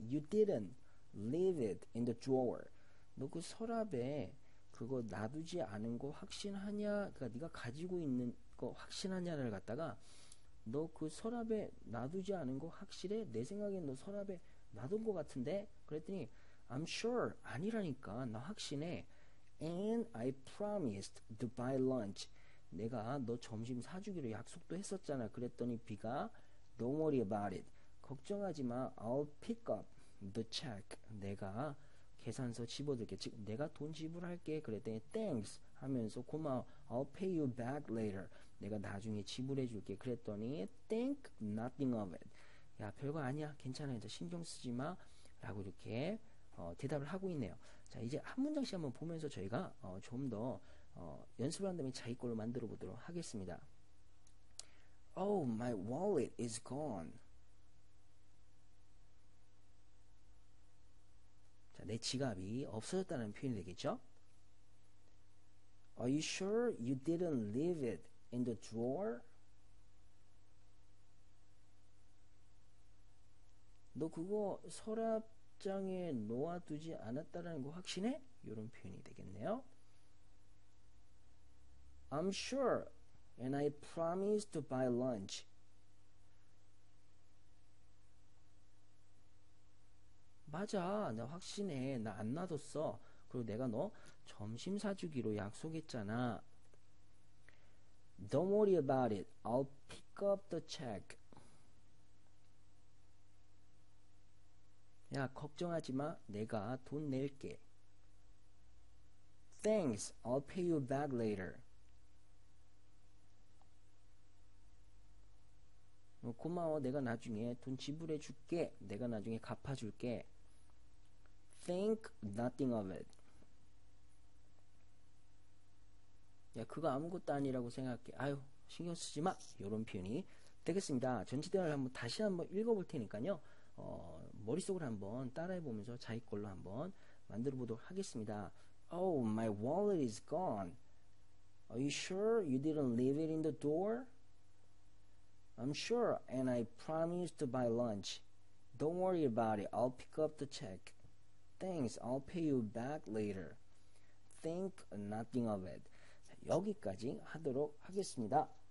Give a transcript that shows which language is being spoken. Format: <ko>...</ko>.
<en>You didn't leave it in the drawer.</en> <ko>너그 서랍에 그거 놔두지 않은 거 확신하냐? 그니까 네가 가지고 있는 거 확신하냐를 갖다가 너그 서랍에 놔두지 않은 거 확실해? 내 생각엔 너 서랍에 놔둔 거 같은데? 그랬더니</ko> <en>I'm sure</en> <ko>아니라니까 나 확신해.</ko> <en>And I promised to buy lunch.</en> <ko>내가 너 점심 사주기로 약속도 했었잖아. 그랬더니 B가</ko> <en>Don't worry about it.</en> <ko>걱정하지 마.</ko> <en>I'll pick up the check.</en> <ko>내가 계산서 집어들게. 즉 내가 돈 지불할게. 그랬더니 Thanks 하면서 고마워.</ko> <en>I'll pay you back later.</en> <ko>내가 나중에 지불해줄게. 그랬더니</ko> <en>Think nothing of it.</en> <ko>야 별거 아니야. 괜찮아. 이제 신경 쓰지 마. 라고 이렇게 대답을 하고 있네요. 자 이제 한 문장씩 한번 보면서 저희가 좀더 연습을 한 다음에 자기 걸로 만들어 보도록 하겠습니다.</ko> <en>Oh, my wallet is gone.</en> <ko>자, 내 지갑이 없어졌다는 표현이 되겠죠?</ko> <en>Are you sure you didn't leave it in the drawer?</en> <ko>너 그거 서랍장에 놓아두지 않았다라는 거 확신해? 이런 표현이 되겠네요.</ko> <en>I'm sure and I promise to buy lunch.</en> <ko>맞아, 나 확신해. 나안 놔뒀어. 그리고 내가 너 점심 사주기로 약속했잖아.</ko> <en>Don't worry about it. I'll pick up the check.</en> <ko>야, 걱정하지 마. 내가 돈 낼게.</ko> <en>Thanks. I'll pay you back later.</en> <ko>고마워. 내가 나중에 돈 지불해 줄게. 내가 나중에 갚아 줄게.</ko> <en>Think nothing of it.</en> <ko>야, 그거 아무것도 아니라고 생각해. 아유, 신경 쓰지 마. 요런 표현이 되겠습니다. 전체 대화를 한번 다시 한번 읽어볼 테니까요. 머릿속으로 한번 따라해 보면서 자기 걸로 한번 만들어 보도록 하겠습니다.</ko> <en>Oh, my wallet is gone. Are you sure you didn't leave it in the door? I'm sure, and I promised to buy lunch. Don't worry about it. I'll pick up the check. Thanks, I'll pay you back later. Think nothing of it.</en> <ko>여기까지 하도록 하겠습니다.</ko>